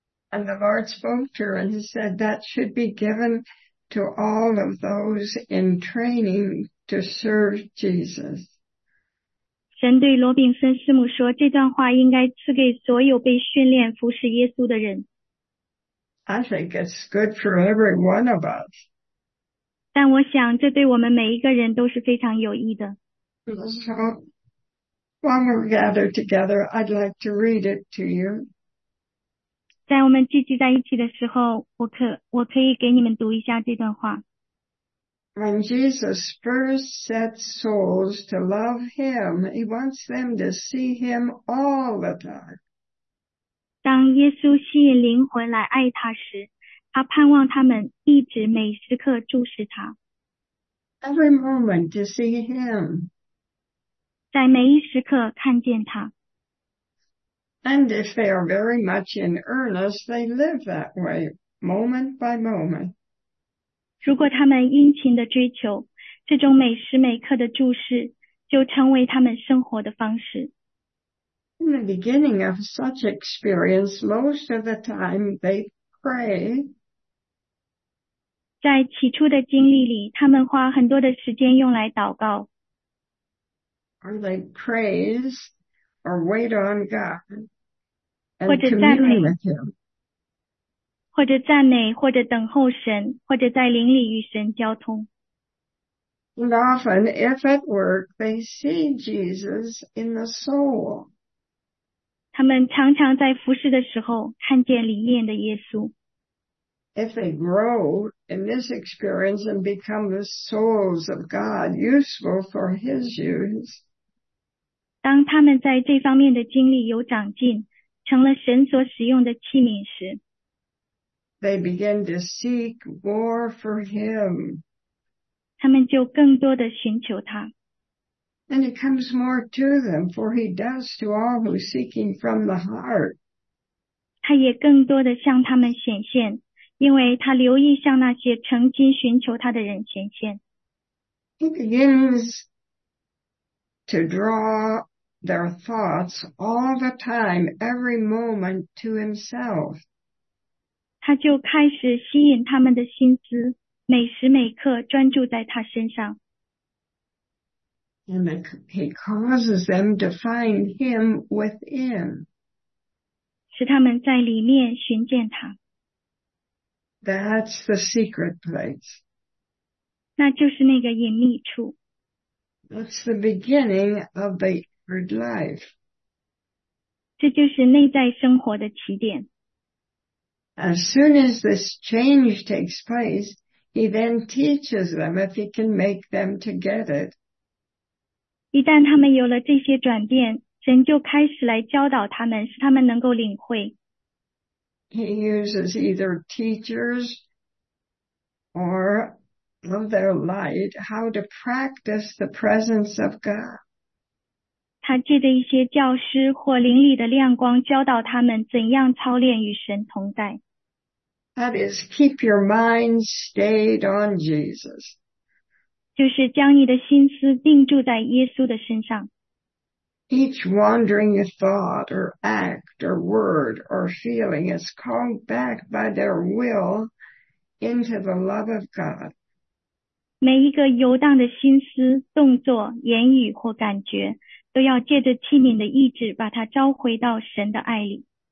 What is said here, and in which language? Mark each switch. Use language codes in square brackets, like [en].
[en] And the Lord spoke to her and he said that should be given to all of those in training to serve Jesus. [zh] 神对罗炳森师母说，这段话应该赐给所有被训练服侍耶稣的人。 [en] I think it's good for every one of us. [zh] 但我想这对我们每一个人都是非常有益的。 [en] So, while we're gathered together, I'd like to read it to you. [zh] 在我们聚集在一起的时候，我可以给你们读一下这段话。 [en] When Jesus first set souls to love him, he wants them to see him all the time. [zh] 当耶稣吸引灵魂来爱他时，他盼望他们一直每时刻注视他。 [en] Every moment to see him. [zh] 在每一时刻看见他。 [en] And if they are very much in earnest, they live that way, moment by moment. [zh] 如果他们殷勤地追求，这种每时每刻的注视就成为他们生活的方式。 [en] In the beginning of such experience, most of the time they pray. [zh] 在起初的经历里，他们花很多的时间用来祷告。 [en] Or they praise or wait on God and [zh] 或者赞美 [en] commune with Him. [zh] 或者赞美，或者等候神，或者在灵里与神交通。 [en] And often, if at work, they see Jesus in the soul. [zh] 他们常常在服事的时候看见里面的耶稣。 [en] If they grow in this experience and become the souls of God, useful for His use. [zh] 当他们在这方面的经历有长进，成了神所使用的器皿时。 [en] They begin to seek more for Him. [zh] 他们就更多地寻求他。 [en] And it comes more to them, for He does to all who seek Him from the heart. [zh] 他也更多地向他们显现，因为他留意向那些曾经寻求他的人显现。 [en] He begins to draw their thoughts all the time, every moment to Himself. [zh] 他就开始吸引他们的心思，每时每刻专注在他身上。 [en] And He causes them to find Him within. [zh] 使他们在里面寻见他。 [en] That's the secret place. [zh] 那就是那个隐秘处。 [en] That's the beginning of the inward life. [zh] 这就是内在生活的起点。 [en] As soon as this change takes place, He then teaches them if He can make them to get it. [zh] 一旦他们有了这些转变，神就开始来教导他们，使他们能够领会。 [en] He uses either teachers or of their light how to practice the presence of God. [zh] 他借着一些教师或灵里的亮光，教导他们怎样操练与神同在。 [en] That is, keep your mind stayed on Jesus. [zh] 就是将你的心思定住在耶稣的身上。 [en] Each wandering thought or act or word or feeling is called back by their will into the love of God. [zh] 每一个游荡的心思、动作、言语或感觉，都要借着器皿的意志把它召回到神的爱里。